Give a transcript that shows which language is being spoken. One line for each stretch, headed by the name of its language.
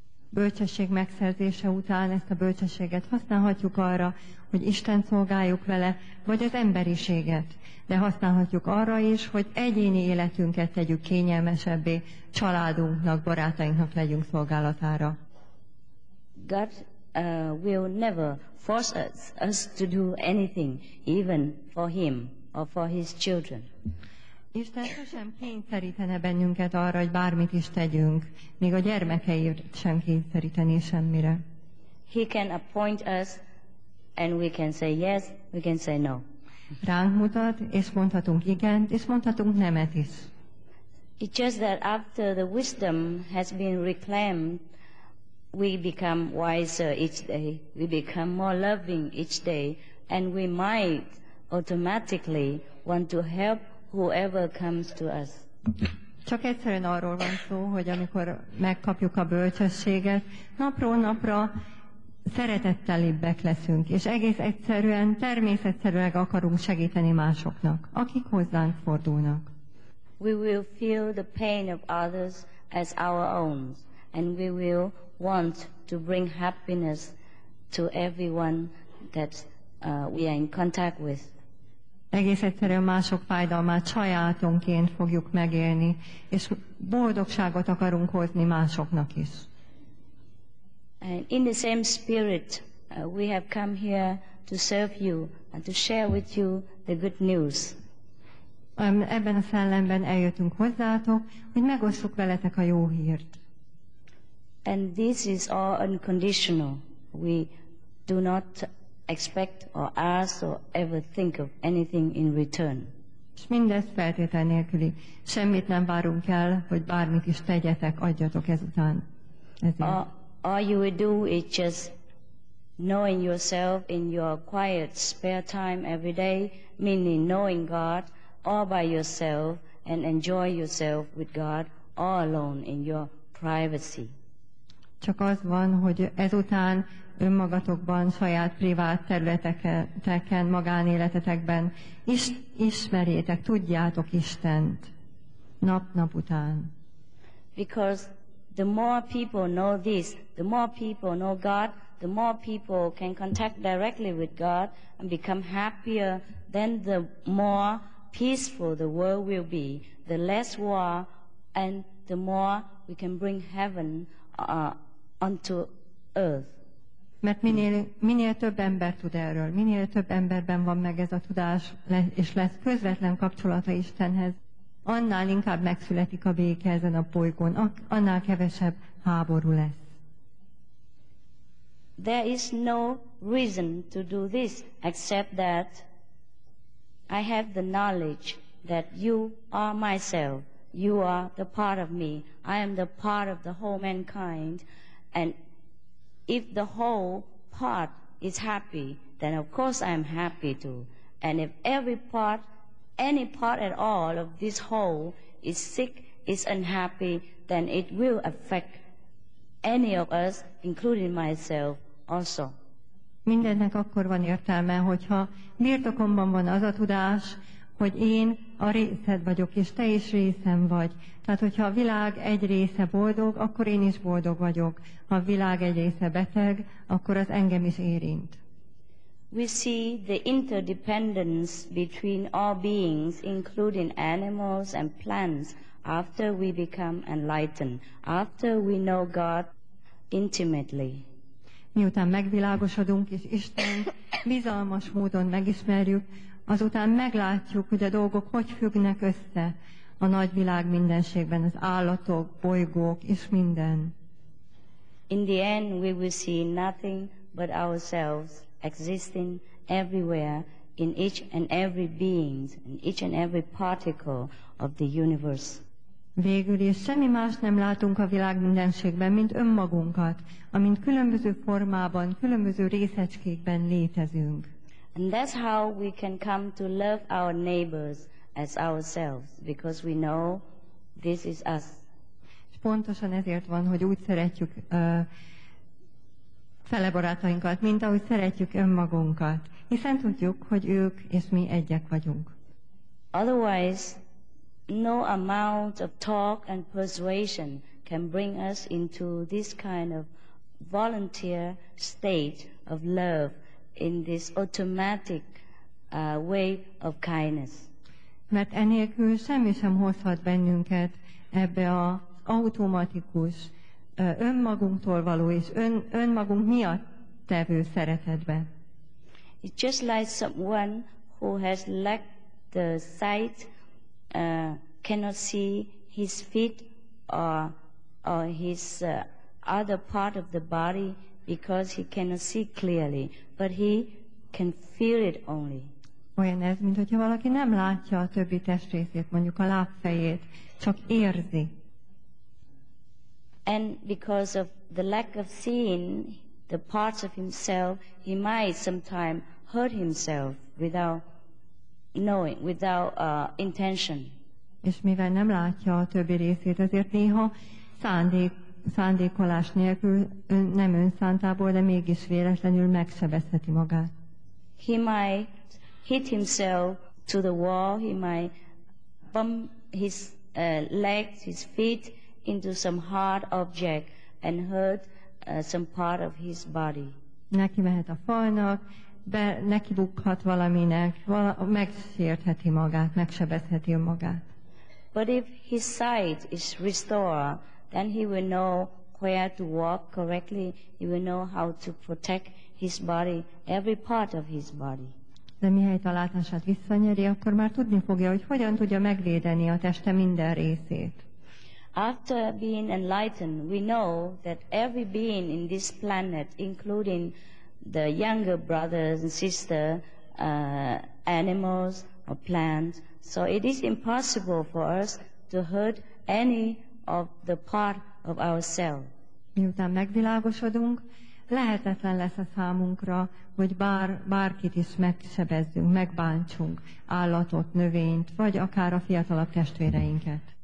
Hungarian: Bölcsesség megszerzése után ezt a bölcsességet használhatjuk arra, hogy Isten szolgáljuk vele, vagy az emberiséget. De használhatjuk arra is, hogy egyéni életünket tegyük kényelmesebbé, családunknak, barátainknak legyünk szolgálatára.
English: God will never force us to do anything, even for Him or for His children.
Hungarian: Isten sosem kényszerítene bennünket arra, hogy bármit is tegyünk, még a gyermekeit sem kényszeríteni semmire.
English: He can appoint us, and we can say yes, we can say no.
Hungarian: Ránk mutat, és mondhatunk igent, és mondhatunk nemet is.
English: It's just that after the wisdom has been reclaimed, we become wiser each day, we become more loving each day, and we might automatically want to help whoever comes to us.
Hungarian: Csak egyszerűen arról van szó, hogy amikor megkapjuk a bölcsességet, napról napra szeretettelibbek leszünk, és egész egyszerűen, természetszerűleg akarunk segíteni másoknak, akik hozzánk fordulnak.
English: We will feel the pain of others as our own, and we will want to bring happiness to everyone that we are in contact with.
Hungarian: Egész egyszerűen mások fájdalmát sajátunként fogjuk megélni, és boldogságot akarunk hozni másoknak is.
English: And in the same spirit, we have come here to serve you and to share with you the good news.
Hungarian: Ebben a szellemben eljöttünk hozzátok, hogy megosszuk veletek a jó hírt.
English: And this is all unconditional. We do not expect or ask or ever think of anything in return.
Hungarian: És mindez feltétel nélküli. Semmit nem várunk el, hogy bármit is tegyetek, adjatok ezután.
English: All you will do is just knowing yourself in your quiet spare time every day, meaning knowing God all by yourself and enjoy yourself with God all alone in your privacy.
Hungarian: Csak az van, hogy ezután önmagatokban, saját privát területeken, magánéletetekben ismerjétek, tudjátok Istent nap-nap után.
English: Because the more people know this, the more people know God, the more people can contact directly with God and become happier, then the more peaceful the world will be, the less war, and the more we can bring heaven onto earth.
Hungarian: Mert minél több ember tud erről, minél több emberben van meg ez a tudás, és lesz közvetlen kapcsolata Istenhez, annál inkább megszületik a béke ezen a bolygón, annál kevesebb háború lesz.
English: There is no reason to do this except that I have the knowledge that you are myself. You are the part of me. I am the part of the whole mankind. And if the whole part is happy, then of course I am happy too. And if every part, any part at all of this whole is sick, is unhappy, then it will affect any of us, including myself. Also.
Hungarian: Mindennek akkor van értelme, hogyha birtokomban van az a tudás, hogy én a részed vagyok, és te is részem vagy. Tehát, hogyha a világ egy része boldog, akkor én is boldog vagyok. Ha a világ egy része beteg, akkor az engem is érint.
English: We see the interdependence between all beings, including animals and plants, after we become enlightened, after we know God intimately.
Hungarian: Miután megvilágosodunk, és Isten bizalmas módon megismerjük, azután meglátjuk, hogy a dolgok hogy függnek össze a nagyvilág mindenségben, az állatok, bolygók és minden.
English: In the end, we will see nothing but ourselves existing everywhere in each and every being, in each and every particle of the universe.
Hungarian: Végül is semmi más nem látunk a világ mindenségben, mint önmagunkat, amint különböző formában, különböző részecskékben létezünk.
English: And that's how we can come to love our neighbors as ourselves, because we know this is us.
Hungarian: És pontosan ezért van, hogy úgy szeretjük fele barátainkat, mint ahogy szeretjük önmagunkat, hiszen tudjuk, hogy ők és mi egyek vagyunk.
English: Otherwise, no amount of talk and persuasion can bring us into this kind of volunteer state of love, in this automatic way of kindness.
Hungarian: Mert enélkül semmi sem hozhat bennünket ebbe a automatikus önmagunktól való és önmagunk miatt tevő szeretetbe.
English: It's just like someone who has lacked the sight, cannot see his feet or his other part of the body because he cannot see clearly, but he can feel it only.
Hungarian: Olyan ez, mint hogyha valaki nem látja a többi testrészét, mondjuk a lábfejét, csak érzi.
English: And because of the lack of seeing the parts of himself, he might sometime hurt himself without knowing, without intention.
Hungarian: És mivel nem látja a többi részét, ezért néha szándékolás nélkül, nem önszántából, de mégis véletlenül megsebezheti magát.
English: He might hit himself to the wall, he might bump his legs, his feet into some hard object and hurt some part of his body.
Hungarian: Neki mehet a falnak, neki bukhat valaminek, megsértheti magát, megsebezheti magát.
English: But if his sight is restored, then he will know where to walk correctly, he will know how to protect his body, every part of his body.
Hungarian: De mihelyt a látását visszanyeri, akkor már tudni fogja, hogy hogyan tudja megvédeni a teste minden részét.
English: After being enlightened, we know that every being in this planet, including the younger brothers and sisters, animals or plants, so it is impossible for us to hurt any of the part of ourselves.
Hungarian: Miután megvilágosodunk, lehetetlen lesz a számunkra, hogy bárkit is megsebezzünk, megbántsunk, állatot, növényt, vagy akár a fiatalabb testvéreinket.